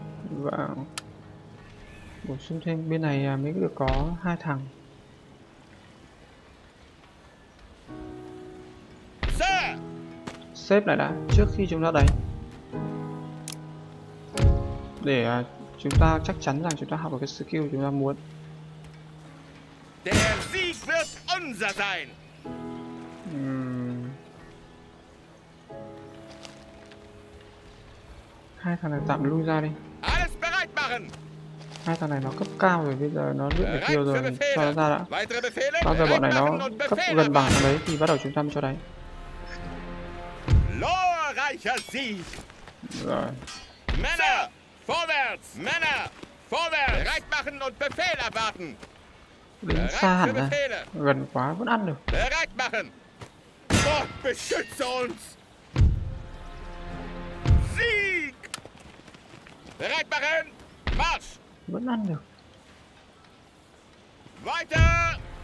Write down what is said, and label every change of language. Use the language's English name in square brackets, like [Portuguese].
[Vietnamese] Và bổ sung thêm bên này mới được có 2 thằng. Sếp lại đã, trước khi chúng ta đánh. Để chúng ta chắc chắn rằng chúng ta học được cái skill chúng ta muốn. [German] Der Sieg wird unser sein. [Vietnamese] Hai thằng này tạm lui ra đi. [German] Alles bereit machen. [Vietnamese] Hai thằng này nó cấp cao rồi, bây giờ nó luyện được kêu rồi, cho nó ra đã. Bao giờ bọn này nó cấp gần bằng đấy thì bắt đầu chúng ta cho đánh. [German] Glorreicher Sieg. [Vietnamese] Rồi. [German] Männer. Vorwärts, Männer! Vorwärts! Bereit machen und Befehl erwarten! [Vietnamese] Đứng xa hẳn ra, gần quá vẫn ăn được. [German] Bereit machen! Gott beschütze uns! Sieg! Bereit machen! Marsch! [Vietnamese] Vẫn ăn được. [German] Weiter!